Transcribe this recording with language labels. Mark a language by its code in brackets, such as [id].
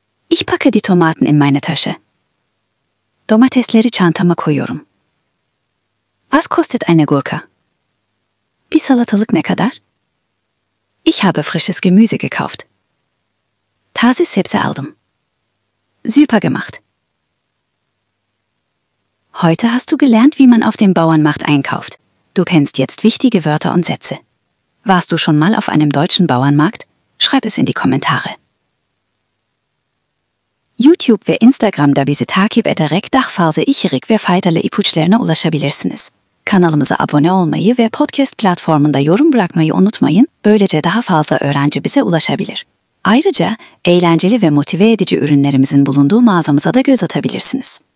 [de] Ich packe die Tomaten in meine Tasche. [tr] Domatesleri çantama koyuyorum. [de] Was kostet eine Gurke? [tr] Bir salatalık ne kadar? [de] Ich habe frisches Gemüse gekauft. [tr] Taze sebze aldım. [de] Süper gemacht. Heute hast du gelernt, wie man auf dem Bauernmarkt einkauft. Du kennst jetzt wichtige Wörter und Sätze. Warst du schon mal auf einem deutschen Bauernmarkt? Schreib es in die Kommentare. [tr] YouTube ve Instagram'da bizi takip ederek daha fazla içerik ve faydalı ipuçlarına ulaşabilirsiniz. Kanalımıza abone olmayı ve podcast platformunda yorum bırakmayı unutmayın. Böylece daha fazla öğrenci bize ulaşabilir. Ayrıca eğlenceli ve motive edici ürünlerimizin bulunduğu mağazamıza da göz atabilirsiniz.